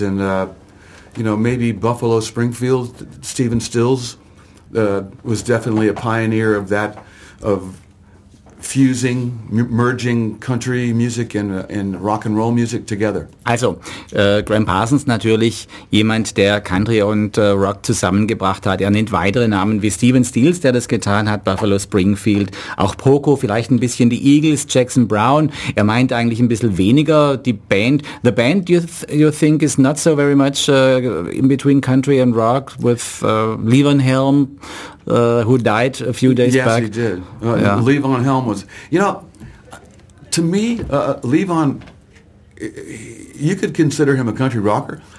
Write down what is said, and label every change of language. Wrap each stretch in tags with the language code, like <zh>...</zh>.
<en>And you know, maybe Buffalo Springfield, Stephen Stills. Was definitely a pioneer of that, of fusing, merging country music and rock and roll music together.</en> <de>Also, Gram Parsons natürlich jemand, der Country und Rock zusammengebracht hat. Er nennt weitere Namen wie Stephen Stills, der das getan hat, Buffalo Springfield, auch Poco, vielleicht ein bisschen die Eagles, Jackson Brown. Er meint eigentlich ein bisschen weniger die Band.</de> <en>The band you think is not so very much in between country and rock with Levon Helm. Who died a few days back. Yes, he did. Yeah. Levon Helm was... You know, to me, Levon, you could consider him a country rocker.</en>